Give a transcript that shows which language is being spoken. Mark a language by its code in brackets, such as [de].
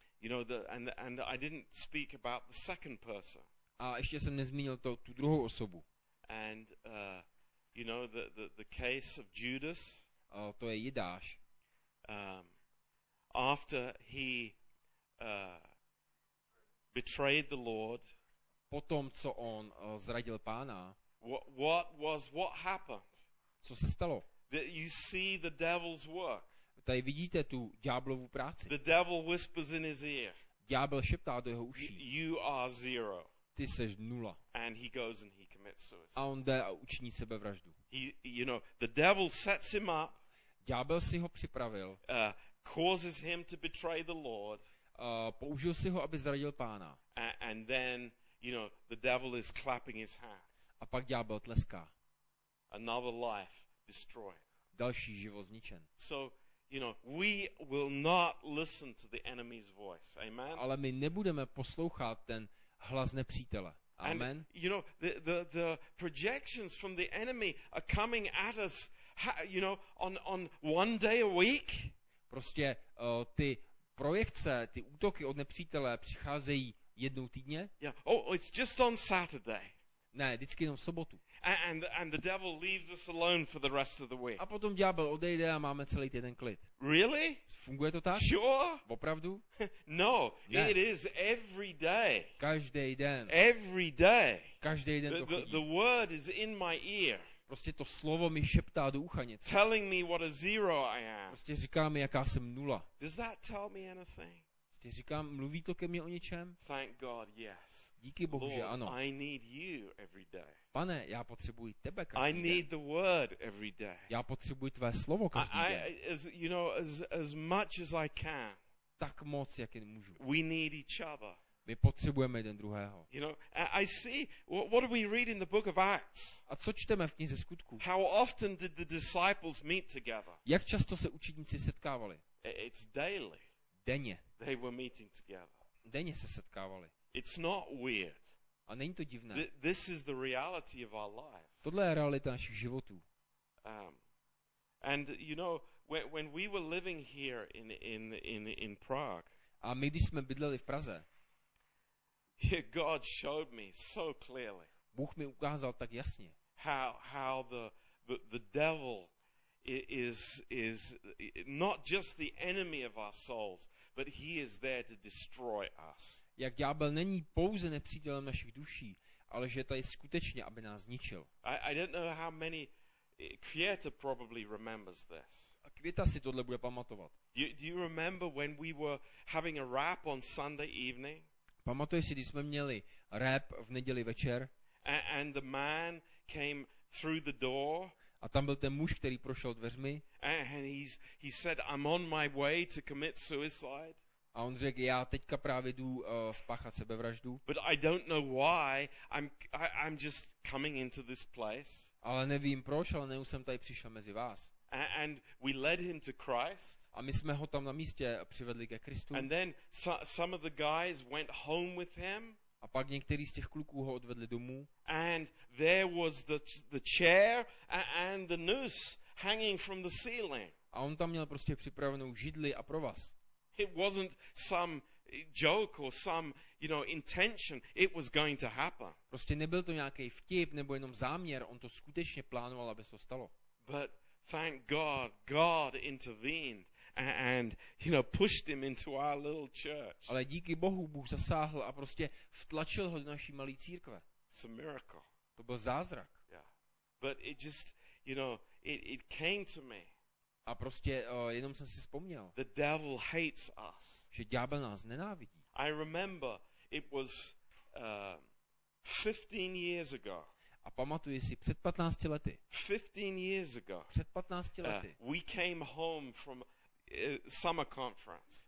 [en] And I didn't speak about the second person. [cs] A ještě jsem nezmínil to tu druhou osobu. [en] And you know the case of Judas. [cs] A to je Judáš. [en] After he betrayed the Lord, [cs] potom co on zradil Pána, [en] what happened? [cs] Co se stalo? [en] That you see the devil's work. [cs] Tady vidíte tu ďáblovu práci. [en] The devil whispers in his ear. [cs] Ďábel šeptá do jeho uší. [en] You are zero. [cs] Ty seš nula. [en] And he goes and he commits suicide. [cs] A on jde a učiní sebevraždu. [en] He, you know, the devil sets him up. [cs] Ďábel si ho připravil. [en] Causes him to betray the Lord. [cs] Použil si ho, aby zradil Pána. [en] And then, you know, the devil is clapping his hands. [cs] A pak ďábel tleská. [en] Another life destroyed. [cs] Další život zničen. [en] So, you know, we will not listen to the enemy's voice. Amen. [cs] Ale my nebudeme poslouchat ten hlas nepřítele. Amen. [en] And, you know, the projections from the enemy are coming at us, you know, on one day a week. [cs] Prostě ty projekce, ty útoky od nepřítele přicházejí jednou týdně. [en] Yeah. Oh, it's just on Saturday. [cs] Ne, vždycky jenom v sobotu. [en] And the devil leaves us alone for the rest of the week. [cs] A potom ďábel odejde a máme celý týden klid. [en] Really? [cs] Funguje to tak? [en] Sure. [cs] Opravdu? [en] No, [cs] ne. [en] It is every day. [cs] Každý den. [en] Every day. [cs] Každý den to chodí. [en] The word is in my ear. [cs] Prostě to slovo mi šeptá do ucha něco. [en] Telling me what a zero I am. [cs] Prostě říká mi, jaká jsem nula. [en] Does that tell me anything? [cs] Prostě říká, mluví to ke mně o něčem? [en] Thank God, yes. [cs] Díky Bohu, že ano. [en] I need you every day. [cs] Pane, já potřebuji tebe každý den. [en] I need the word every day. [cs] Já potřebuji tvé slovo každý den. [en] As much as I can. [cs] Tak moc, jak jen můžu. [en] We need each other. [cs] My potřebujeme jeden druhého. [en] You know, I see, what do we read in the book of Acts? [cs] A co čteme v knize Skutků? [en] How often did the disciples meet together? [cs] Jak často se učedníci setkávali? [en] It's daily. [cs] Denně. [en] They were meeting together. [cs] Denně se setkávali. [en] It's not weird. [cs] A není to divné. [en] This is the reality of our lives. [cs] Tohle je realita našich životů. [en] And you know, when we were living here in Prague. [cs] A my když jsme bydleli v Praze. [en] God showed me so clearly. [cs] Bůh mi ukázal tak jasně. [en] How the devil is not just the enemy of our souls, but he is there to destroy us. [cs] Jak ďábel není pouze nepřítelem našich duší, ale že tady skutečně, aby nás zničil. [en] I don't know how many Květa probably remembers this. [cs] A Květa si tohle bude pamatovat. [en] Do you remember when we were having a rap on Sunday evening? [cs] Pamatuješ si, když jsme měli rap v neděli večer? [en] And the man came through the door. [cs] A tam byl ten muž, který prošel dveřmi. [en] And he said, I'm on my way to commit suicide. [cs] A on řekl, já teďka právě jdu spáchat sebevraždu. [en] But I don't know why I'm just coming into this place. [cs] Ale nevím proč, ale nejsem jsem tady přišel mezi vás. [en] And we led him to Christ. [cs] A my jsme ho tam na místě přivedli ke Kristu. [en] And then some of the guys went home with him. [cs] A pak některý z těch kluků ho odvedli domů. [en] And there was the chair and the noose hanging from the ceiling. [cs] A on tam měl prostě připravenou židli a provaz. [en] It wasn't some joke or some, you know, intention. It was going to happen. [cs] Prostě nebyl to nějaký vtip nebo jenom záměr, on to skutečně plánoval, aby se to stalo. [en] But thank God, God intervened and you know, pushed him into our little church. [cs] Ale díky Bohu Bůh zasáhl a prostě vtlačil ho do naší malé církve. [en] It's a miracle. [cs] To byl zázrak. [en] Yeah. But it just, you know, it came to me. [cs] A prostě jenom jsem si vzpomněl. [en] The devil hates us. [cs] Že ďábel nás nenávidí. [en] I remember it was 15 years ago. [cs] A pamatuji si před 15 lety. [en] 15 years ago. [cs] Před 15 lety. [en] We came home from summer conference.